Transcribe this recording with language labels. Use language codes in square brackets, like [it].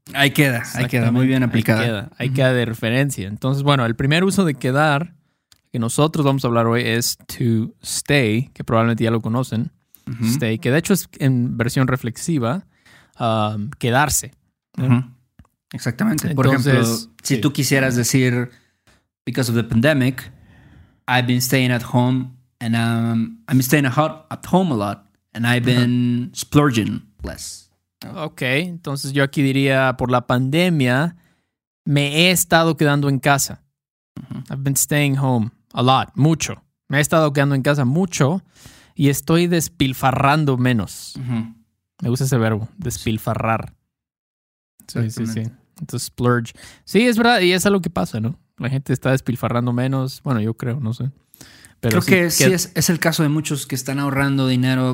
[es] Ahí queda, muy bien aplicada. Ahí queda de referencia. Entonces, bueno, el primer uso de quedar que nosotros vamos a hablar hoy es to stay, que probablemente ya lo conocen. Uh-huh. Stay, que de hecho es en versión reflexiva, quedarse. Uh-huh. Exactamente. Por ejemplo, si tú quisieras decir, [en] because of the pandemic, I've been staying at home and I'm staying at home a lot and I've been splurging less. [es] Ok, entonces yo aquí diría, por la pandemia, me he estado quedando en casa. Uh-huh. [en] I've been staying home a lot, [es] mucho. Me he estado quedando en casa mucho y estoy despilfarrando menos. Uh-huh. Me gusta ese verbo, despilfarrar. Sí. Entonces, splurge. Sí, es verdad, y es algo que pasa, ¿no? La gente está despilfarrando menos. Bueno, yo creo, no sé. Pero creo que es el caso de muchos que están ahorrando dinero.